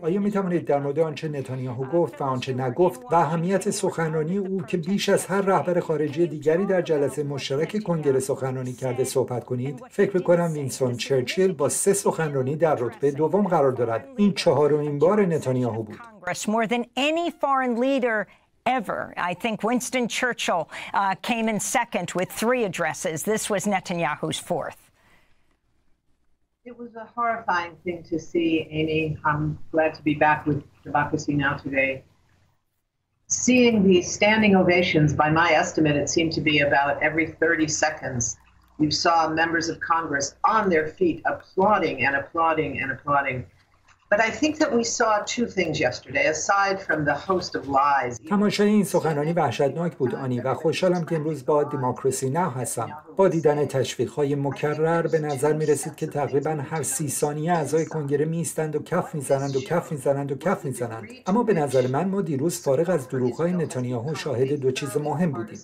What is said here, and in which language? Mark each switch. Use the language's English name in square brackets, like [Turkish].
[Persian] آیا می توانید در مورد آنچه نتانیاهو گفت و آنچه نگفت و اهمیت سخنرانی او که بیش از هر رهبر خارجی دیگری در جلسه مشترک کنگره سخنرانی کرده صحبت کنید؟ فکر می‌کنم وینستون چرچیل با 3 سخنرانی در رتبه دوم قرار دارد. این 4مین بار نتانیاهو بود. [English] More than any foreign leader ever. I think Winston Churchill came in second with 3 addresses. This was Netanyahu's 4th. It was a horrifying thing to see, Amy. I'm glad to be back with Democracy Now! Today. Seeing the standing ovations, by my estimate, it seemed to be about every 30 seconds, you saw members of Congress on their feet applauding and applauding and applauding. But I think that we saw 2 things yesterday, aside from the host of lies. [Persian] تماشای این سخنرانی وحشتناک بود آنی و خوشحالم که امروز با دموکراسی نه هستم. با دیدن تشویق‌های مکرر به نظر می‌رسید که تقریباً هر 30 ثانیه اعضای کنگره می‌ایستند و کف می‌زنند و کف می‌زنند و کف می‌زنند. اما به نظر من ما دیروز فارغ از دروغ‌های نتانیاهو شاهد 2 چیز مهم بودیم.